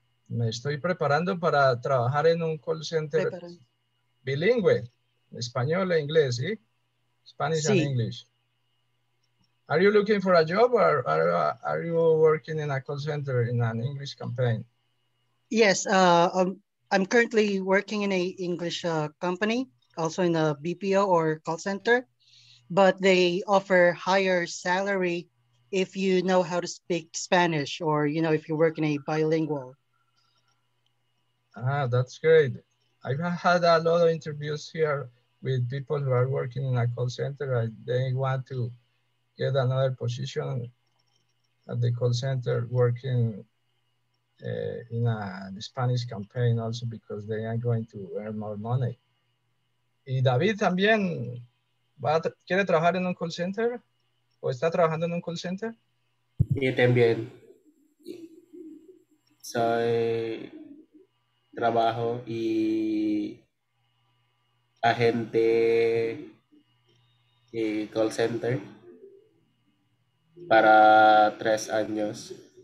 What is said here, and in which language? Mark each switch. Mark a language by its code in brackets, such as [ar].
[es] Me estoy preparando para trabajar en un call center bilingüe, español e inglés, ¿sí? [en] Spanish sí. And English. Are you looking for a job or are you working in a call center in an English campaign? Yes, I'm currently working in a English company, also in a BPO or call center, but they offer higher salary if you know how to speak Spanish or, you know, if you work in a bilingual. Ah, that's great. I've had a lot of interviews here with people who are working in a call center and they want to get another position at the call center working in a Spanish campaign also because they are going to earn more money. [es] ¿Y David también quiere trabajar en un call center? ¿O está trabajando en un call center? Sí, también. Soy trabajo y agente y call center para 3 años.